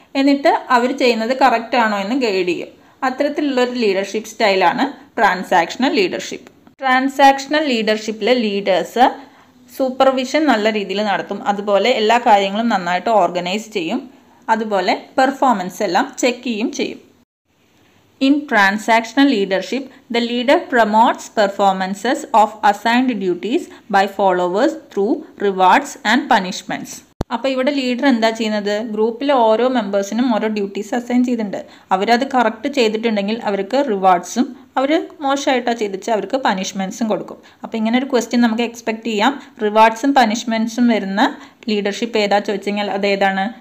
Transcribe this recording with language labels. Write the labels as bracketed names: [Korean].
[Malayalam] എന്നിട്ട് അവർ ചെയ്യുന്നത് കറക്റ്റാണോ എന്ന് ഗൈഡ് ചെയ്യും. അത്തരത്തിലുള്ളൊരു ലീഡർഷിപ്പ് സ്റ്റൈലാണ് transactional leadership. Transactional ലീഡർഷിപ്പിലെ leaders supervision നല്ല രീതിയിൽ നടത്തും, അതുപോലെ എല്ലാ കാര്യങ്ങളും നന്നായിട്ട് ഓർഗനൈസ് ചെയ്യും, അതുപോലെ പെർഫോമൻസ് എല്ലാം ചെക്ക് ചെയ്യും ചെയ്യും. [English] In transactional leadership, the leader promotes performances of assigned duties by followers through rewards and punishments. [Malayalam] അപ്പോൾ ഇവിടെ ലീഡർ എന്താ ചെയ്യുന്നത്? ഗ്രൂപ്പിലെ ഓരോ മെമ്പേഴ്സിനും ഓരോ ഡ്യൂട്ടീസ് അസൈൻ ചെയ്തിട്ടുണ്ട്. അവരത് കറക്റ്റ് ചെയ്തിട്ടുണ്ടെങ്കിൽ അവർക്ക് റിവാർഡ്സും, അവർ മോശമായിട്ടാണ് ചെയ്തിച്ച് അവർക്ക് പനിഷ്മെൻറ്റ്സും കൊടുക്കും. അപ്പോൾ ഇങ്ങനെ ഒരു ക്വസ്റ്റ്യൻ നമുക്ക് എക്സ്പെക്ട് ചെയ്യാം. റിവാർഡ്സും പനിഷ്മെൻറ്റ്സും വരുന്ന ലീഡർഷിപ്പ് ഏതാ ചോദിച്ചെങ്കിൽ അതേതാണ്?